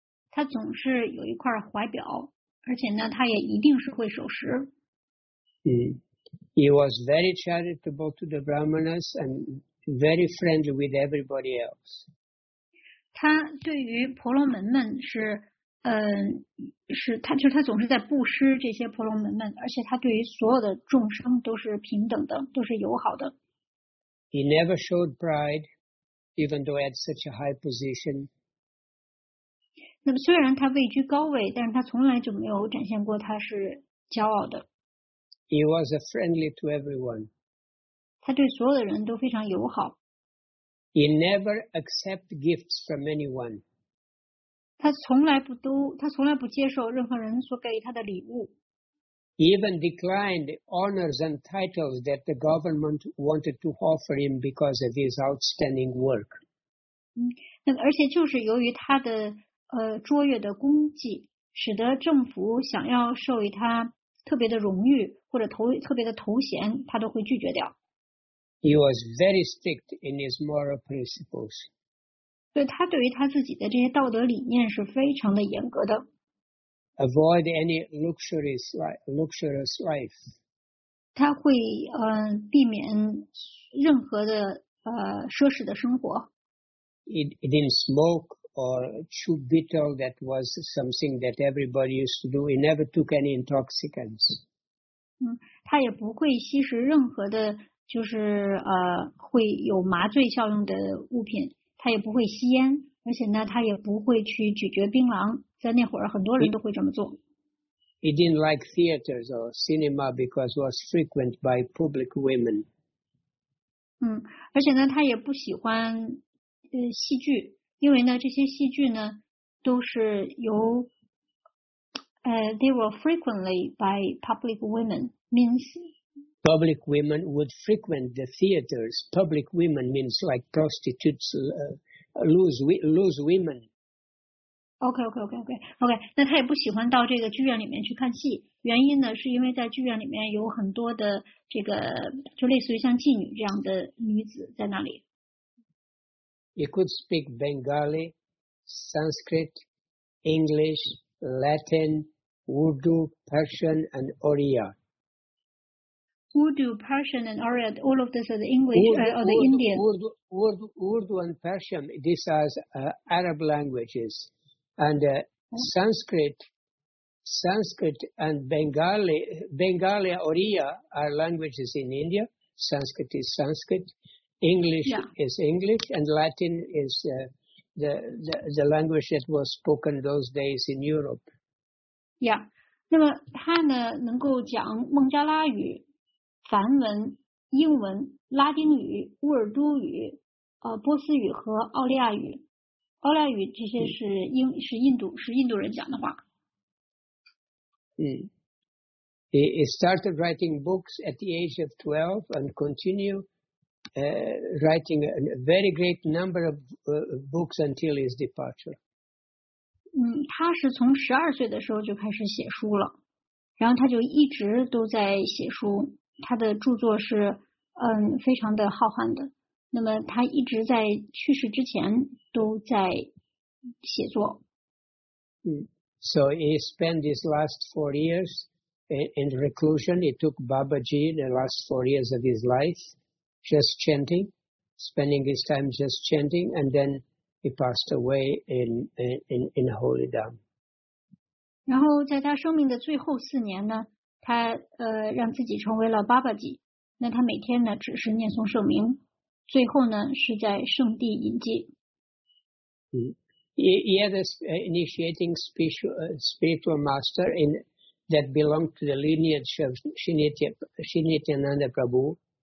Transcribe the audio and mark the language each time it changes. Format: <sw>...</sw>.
<zh>他总是有一块怀表，而且呢，他也一定是会守时。</zh> <en>He was very charitable to the Brahmanas and very friendly with everybody else.</en> <zh>他对于婆罗门们他总是在布施这些婆罗门们，而且他对于所有的众生都是平等的，都是友好的。</zh> <en>He never showed pride, even though he had such a high position.</en> <zh>那么虽然他位居高位，但是他从来就没有展现过他是骄傲的。</zh> <en>He was friendly to everyone.</en> <zh>他对所有的人都非常友好。</zh> <en>He never accepted gifts from anyone.</en> <zh>他从来不接受任何人所给予他的礼物。</zh> <en>He even declined honors and titles that the government wanted to offer him because of his outstanding work.</en> <zh>而且就是由于他的卓越的功绩，使得政府想要授予他特别的荣誉或者特别的头衔，他都会拒绝掉。</zh> <en>He was very strict in his moral principles.</en> <zh>对，他对于他自己的这些道德理念是非常的严格的。</zh> <en>Avoid any luxurious life.</en> <zh>他会避免任何的奢侈的生活。</zh> <en>He didn't smoke or chew betel, that was something that everybody used to do. He never took any intoxicants.</en> <zh>他也不会吸食任何的，就是会有麻醉效用的物品。他也不会吸烟，而且呢，他也不会去咀嚼槟榔。在那会儿，很多人都会这么做。</zh> <en>He didn't like theaters or cinema because it was frequented by public women.</en> <zh>而且呢，他也不喜欢戏剧，因为呢，这些戏剧呢都是由</zh> <en>they were frequently by public women means. Public women would frequent the theaters. Public women means like prostitutes, loose women. Okay.</en> <zh>那他也不喜欢到这个剧院里面去看戏，原因呢是因为在剧院里面有很多的这个就类似于像妓女这样的女子在那里。</zh> <en>He could speak Bengali, Sanskrit, English, Latin, Urdu, Persian, and Oriya. Urdu, Persian, and Oriya, all of this are the English or the Indian. Urdu and Persian, these are Arab languages. And Sanskrit and Bengali, Oriya are languages in India. Sanskrit is Sanskrit. English is English, and Latin is the language that was spoken those days in Europe. Yeah.</en> <zh>那么他呢能够讲孟加拉语、梵文、英文、拉丁语、乌尔都语、波斯语和奥利亚语。奥利亚语这些是印度人讲的话。</zh> <en>He started writing books at the age of 12 and continued. Writing a very great number of books until his departure.</en> <zh>他是从12岁的时候就开始写书了，然后他就一直都在写书，他的著作是非常的浩瀚的。那么他一直在去世之前都在写作。</zh> <en>So he spent his last 4 years in reclusion. It took Babaji the last 4 years of his life just chanting, spending his time just chanting, and then he passed away in Holy Dham.</en> <zh>然后在他生命的最后四年呢，他让自己成为了 Babaji。那他每天呢只是念诵圣名，最后呢是在圣地隐居。</zh> <en>He had an initiating spiritual master in that belonged to the lineage of Shri Nityananda Prabhu.</en>